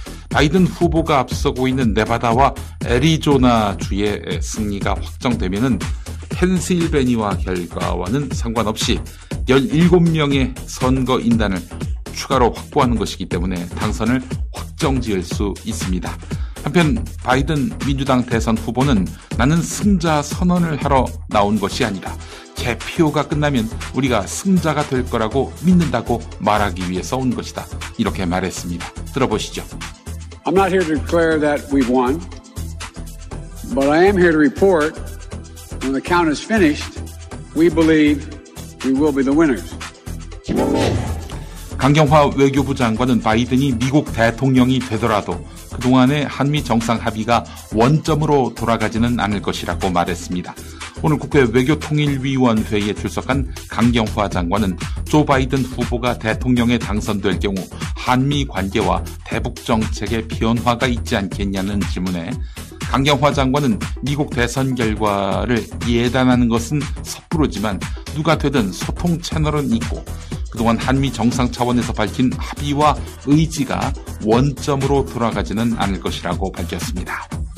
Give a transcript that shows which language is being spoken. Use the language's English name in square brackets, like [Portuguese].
[Korean] 바이든 후보가 앞서고 있는 네바다와 애리조나 주의 승리가 확정되면은 펜실베니아 결과와는 상관없이 17명의 선거인단을 추가로 확보하는 것이기 때문에 당선을 확정지을 수 있습니다. 한편 바이든 민주당 대선 후보는 나는 승자 선언을 하러 나온 것이 아니라 개표가 끝나면 우리가 승자가 될 거라고 믿는다고 말하기 위해서 온 것이다. 이렇게 말했습니다. 들어보시죠. [English] I'm not here to declare that we've won, but I am here to report when the count is finished, we believe we will be the winners. [Korean] 강경화 외교부 장관은 바이든이 미국 대통령이 되더라도 그동안의 한미 정상 합의가 원점으로 돌아가지는 않을 것이라고 말했습니다. 오늘 국회 외교통일위원회에 출석한 강경화 장관은 조 바이든 후보가 대통령에 당선될 경우 한미 관계와 대북 정책의 변화가 있지 않겠냐는 질문에 강경화 장관은 미국 대선 결과를 예단하는 것은 섣부르지만 누가 되든 소통 채널은 있고 그동안 한미 정상 차원에서 밝힌 합의와 의지가 원점으로 돌아가지는 않을 것이라고 밝혔습니다.